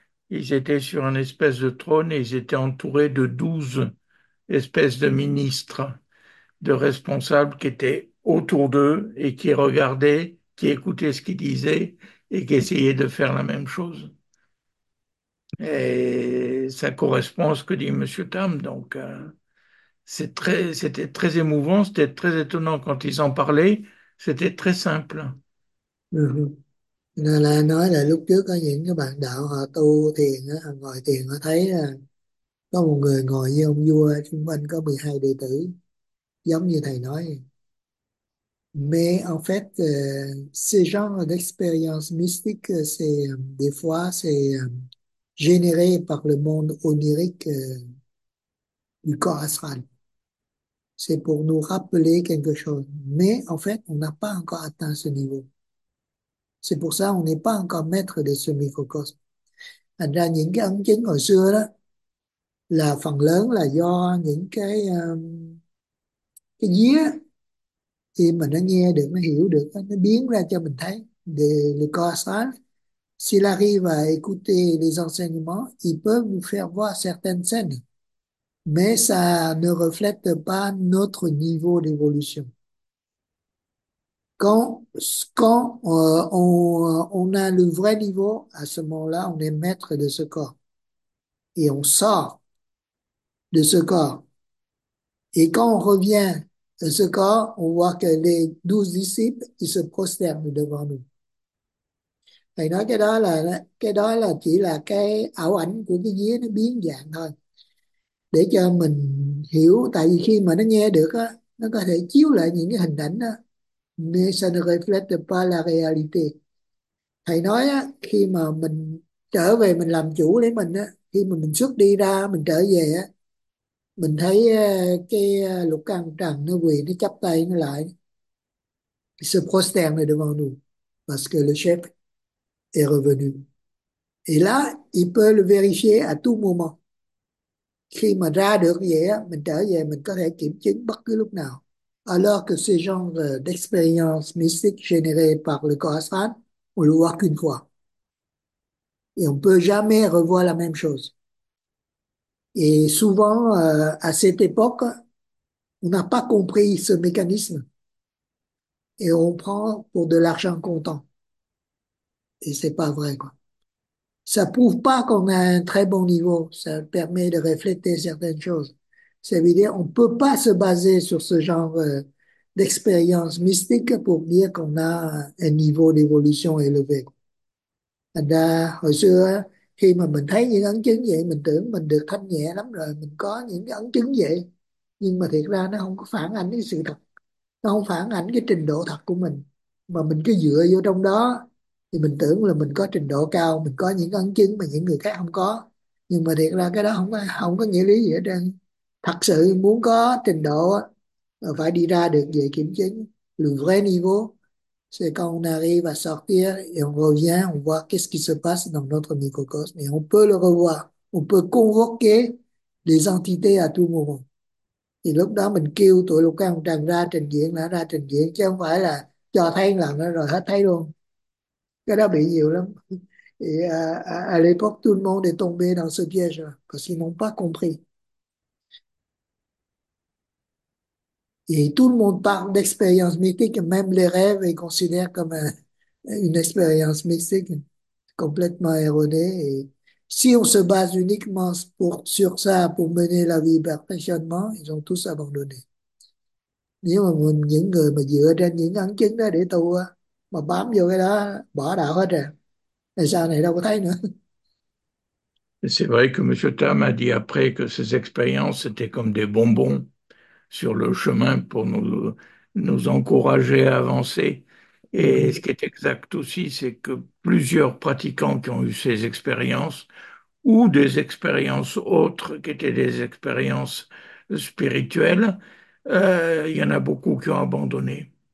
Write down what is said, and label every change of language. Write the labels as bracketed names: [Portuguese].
[French] Ils étaient sur une espèce de trône et ils étaient entourés de 12 espèces de ministres, de responsables qui étaient autour d'eux et qui regardaient, qui écoutaient ce qu'ils disaient et qui essayaient de faire la même chose. Et ça correspond à ce que dit Monsieur Tam, donc c'était très émouvant, c'était très étonnant quand ils en parlaient, c'était très simple. [Vietnamese] Là nói là lúc trước có những cái bạn đạo họ tu thiền á, ngồi thiền họ thấy là có một người ngồi với ông vua, xung quanh có 12 đệ tử giống như thầy nói. [French] Mais en fait ce genre d'expérience mystique des fois c'est généré par le monde onirique du corps astral. C'est pour nous rappeler quelque chose, mais en fait on n'a pas encore atteint ce niveau. C'est pour ça qu'on n'est pas encore maître de ce microcosme. [Vietnamese] Thành ra những cái ấn chứng hồi xưa đó là phần lớn là do những cái vía khi mà nó nghe được, nó hiểu được, nó biến ra cho mình thấy. Để [French] le corps astral, S'il arrive à écouter les enseignements, il peut vous faire voir certaines scènes, mais ça ne reflète pas notre niveau d'évolution. Quand on a le vrai niveau, à ce moment-là, on est maître de ce corps et on sort de ce corps. Et quand on revient de ce corps, on voit que les 12 disciples, ils se prosternent devant nous. [Vietnamese] Thầy nói cái đó là chỉ là cái ảo ảnh của cái vía nó biến dạng thôi, để cho mình hiểu. Tại vì khi mà nó nghe được á, nó có thể chiếu lại những cái hình ảnh đó, [French] mais ça ne reflète pas la réalité. [Vietnamese] Thầy nói á, khi mà mình trở về, mình làm chủ lấy mình á, khi mà mình xuất đi ra, mình trở về á, mình thấy cái lục căn trần nó quỳ, nó chắp tay nó lại, [French] se prosterne devant nous parce que le chef est revenu. Et là, il peut le vérifier à tout moment. [Vietnamese] Khi mà ra được vậy á, mình trở về, mình có thể kiểm chứng bất cứ lúc nào. [French] Alors que ce genre d'expérience mystique générée par le corps astral, on le voit qu'une fois. Et on ne peut jamais revoir la même chose. Et souvent, à cette époque, on n'a pas compris ce mécanisme. Et on prend pour de l'argent comptant. Et c'est pas vrai, quoi. Ça prouve pas qu'on a un très bon niveau. Ça permet de refléter certaines choses. C'est-à-dire, on peut pas se baser sur ce genre d'expérience mystique pour dire qu'on a un niveau d'évolution élevé. [Vietnamese] Hồi xưa, khi mà mình thấy những ấn chứng vậy, mình tưởng mình được thanh nhẹ lắm rồi, mình có những cái ấn chứng vậy. Nhưng mà thiệt ra nó không có phản ánh cái sự thật. Nó không phản ánh cái trình độ thật của mình. Mà mình cứ dựa vô trong đó, thì mình tưởng là mình có trình độ cao, mình có những ấn chứng mà những người khác không có. Nhưng mà thiệt ra cái đó không có nghĩa lý gì hết trơn. Thật sự muốn có trình độ phải đi ra được về kiểm chứng [French] le vrai niveau, c'est quand on arrive à sortir et on revient, on voit qu'est-ce qui se passe dans notre microcosme, et on peut le revoir, on peut convoquer les entités à tout moment. [Vietnamese] Et lúc đó mình kêu tụi lục căn trần ra trình diện, là ra trình diện, chứ không phải là cho thấy lần đó rồi hết thấy luôn. Cái đó bị nhiều lắm. [French] Et à l'époque tout le monde est tombé dans ce piège parce qu'ils n'ont pas compris. Et tout le monde parle d'expérience mystique, même les rêves ils considèrent comme une expérience mystique complètement erronée. Et si on se base uniquement sur ça pour mener la vie perfectionnement, ils ont tous abandonné. [Vietnamese] Nếu mà những người mà dựa trên những ấn chứng đó để tu mà bám vô cái đó, bỏ đạo hết rồi, thì sau này đâu có thấy nữa. [French] C'est vrai que M. Tam a dit après que ces expériences étaient comme des bonbons sur le chemin pour nous encourager à avancer. Et ce qui est exact aussi, c'est que plusieurs pratiquants qui ont eu ces expériences, ou des expériences autres qui étaient des expériences spirituelles, il y en a beaucoup qui ont abandonné.